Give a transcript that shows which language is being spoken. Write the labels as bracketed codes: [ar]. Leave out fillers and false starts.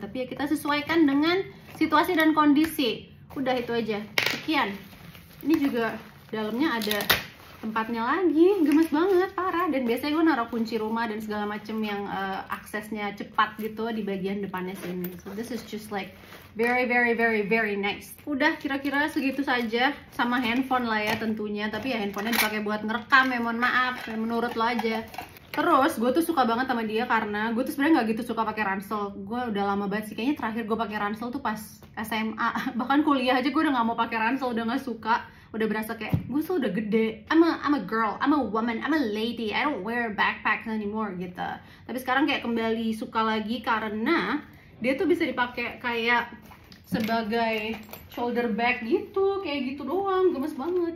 [id] Tapi ya kita sesuaikan dengan situasi dan kondisi. Udah itu aja. Sekian. Ini juga dalamnya ada tempatnya lagi. Gemes banget, parah. Dan biasanya gue naruh kunci rumah dan segala macem yang aksesnya cepat gitu di bagian depannya sini. [en] So this is just like very very very very nice. [id] Udah kira-kira segitu saja sama handphone lah ya tentunya. Tapi ya handphonenya dipakai buat ngerekam ya, mohon maaf. Menurut lo aja. Terus gue tuh suka banget sama dia karena gue tuh sebenarnya nggak gitu suka pakai ransel. Gue udah lama banget sih, kayaknya terakhir gue pakai ransel tuh pas SMA, bahkan kuliah aja gue udah nggak mau pakai ransel, udah nggak suka, udah berasa kayak gue tuh udah gede. [en] I'm a girl, I'm a woman, I'm a lady. I don't wear backpack anymore gitu. [id] Tapi sekarang kayak kembali suka lagi karena dia tuh bisa dipakai kayak sebagai shoulder bag gitu, kayak gitu doang, gemes banget.